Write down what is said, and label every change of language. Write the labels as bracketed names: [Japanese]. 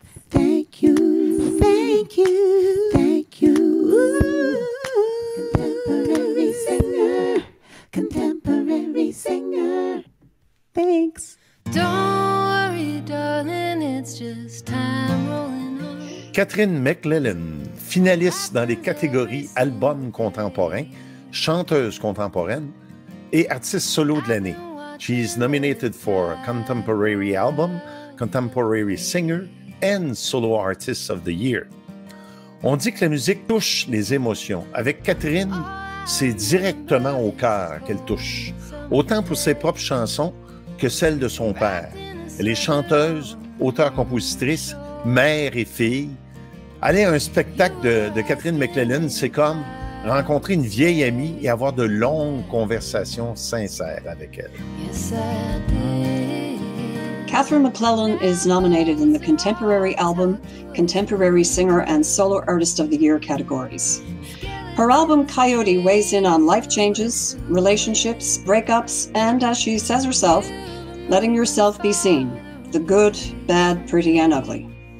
[English] Thank you. Thank you. Thank you. Contemporary singer. Contemporary singer. Thanks. Don't worry, darling, it's just time rolling on. [French] Catherine MacLellan, finaliste dans les catégories Album Contemporain, Chanteuse Contemporaine et Artiste Solo de l'année. [English] She's nominated for Contemporary Album, Contemporary Singer and Solo Artist of the Year. [French] On dit que la musique touche les émotions. Avec Catherine, c'est directement au cœur qu'elle touche, autant pour ses propres chansons que celles de son père. Elle est chanteuse, auteure-compositrice, mère et fille. Aller à un spectacle de Catherine MacLellan, c'est comme rencontrer une vieille amie et avoir de longues conversations sincères avec elle. [English] Catherine MacLellan is nominated in the Contemporary Album, Contemporary Singer and Solo Artist of the Year categories. Her album Coyote weighs in on life changes, relationships, breakups, and as she says herself, letting yourself be seen, the good, bad, pretty and ugly.